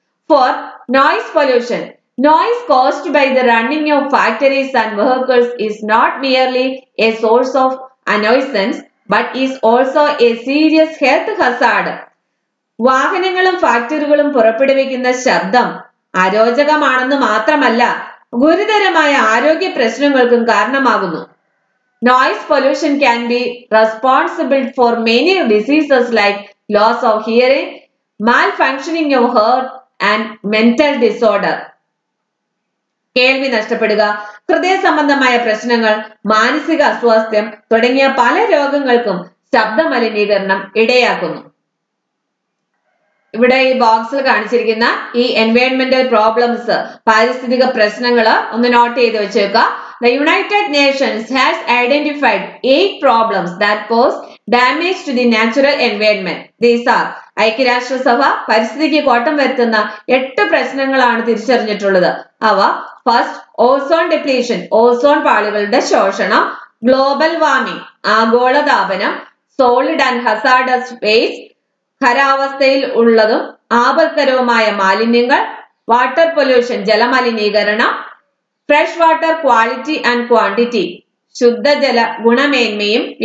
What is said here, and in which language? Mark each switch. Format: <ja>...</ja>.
<en>Four, noise pollution. Noise caused by the running of factories and vehicles is not merely a source of annoyance but is also a serious health hazard.</en> <ml>വാഹനങ്ങളും ഫാക്ടറികളും പുറപ്പെടുവിക്കുന്ന ശബ്ദം അരോചകമാണെന്ന് മാത്രമല്ല ഗുരുതരമായ ആരോഗ്യ പ്രശ്നങ്ങൾക്കും കാരണമാകുന്നു.</ml> <en>Noise pollution can be responsible for many diseases like loss of hearing, malfunctioning of heart and mental disorder.</en> <ml>കേൾവി നഷ്ടപ്പെടുക, ഹൃദയ സംബന്ധമായ പ്രശ്നങ്ങൾ, മാനസിക അസ്വാസ്ഥ്യം തുടങ്ങിയ പല രോഗങ്ങൾക്കും ശബ്ദമലിനീകരണം ഇടയാക്കുന്നു. ഇവിടെ ഈ ബോക്സിൽ കാണിച്ചിരിക്കുന്ന ഈ എൻവയോൺമെന്റൽ പ്രോബ്ലംസ്, പാരിസ്ഥിതിക പ്രശ്നങ്ങൾ ഒന്ന് നോട്ട് ചെയ്ത് വെച്ചേക്കുക.</ml> <en>The United Nations has identified 8 problems that cause damage to the natural environment. These are</en> <ml>ഐക്യരാഷ്ട്ര സഭ പരിസ്ഥിതിക്ക് കോട്ടം വരുത്തുന്ന 8 പ്രശ്നങ്ങളാണ് തിരിച്ചറിഞ്ഞിട്ടുള്ളത്. അവ first, ozone depletion, ozone പാളികളുടെ ശോഷണം, global warming, ആഗോളതാപനം, സോളിഡ് ആൻഡ് ഹസാർഡസ് വേസ്റ്റ്, ഖരാവസ്ഥയിൽ ഉള്ളതും ആപത്കരവുമായ മാലിന്യങ്ങൾ, വാട്ടർ പൊല്യൂഷൻ ജലമലിനീകരണം, fresh water quality and quantity ശുദ്ധജല ഗുണമേന്മയും</ml>